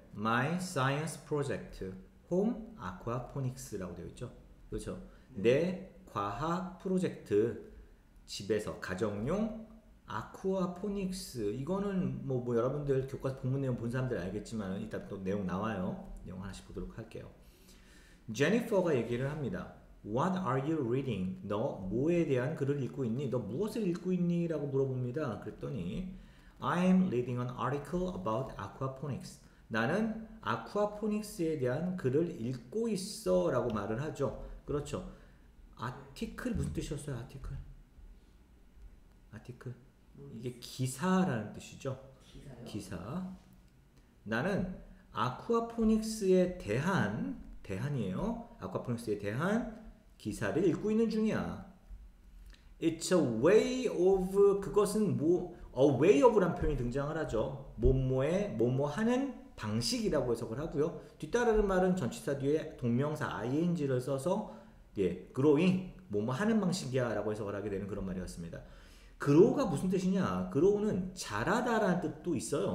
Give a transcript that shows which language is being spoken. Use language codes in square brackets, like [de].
[en] My Science Project Home Aquaponics라고 되어 있죠. [ko] 그렇죠? 내 과학 프로젝트 집에서 가정용 아쿠아포닉스. 이거는 뭐 여러분들 교과서 본문 내용 본 사람들 알겠지만 이따 또 내용 나와요. 내용 하나씩 보도록 할게요. 제니퍼가 얘기를 합니다. [en] What are you reading? [ko] 너 뭐에 대한 글을 읽고 있니? 너 무엇을 읽고 있니? 라고 물어봅니다. 그랬더니 [en] I'm reading an article about aquaponics. [ko] 나는 아쿠아포닉스에 대한 글을 읽고 있어 라고 말을 하죠. 그렇죠. 아티클 무슨 뜻이었어요? 아티클. 아티클. 이게 기사라는 뜻이죠. 기사. 나는 아쿠아포닉스에 대한, 대한이에요. 아쿠아포닉스에 대한 기사를 읽고 있는 중이야. [en] It's a way of, [ko] 그것은 뭐, [en] a way of란 [ko] 표현이 등장을 하죠. 뭐뭐에, 뭐뭐 하는 방식이라고 해석을 하고요. 뒤따르는 말은 전치사 뒤에 동명사 ing를 써서, 예, growing, 뭐뭐 하는 방식이야 라고 해석을 하게 되는 그런 말이었습니다. grow가 무슨 뜻이냐? grow는 자라다라는 뜻도 있어요.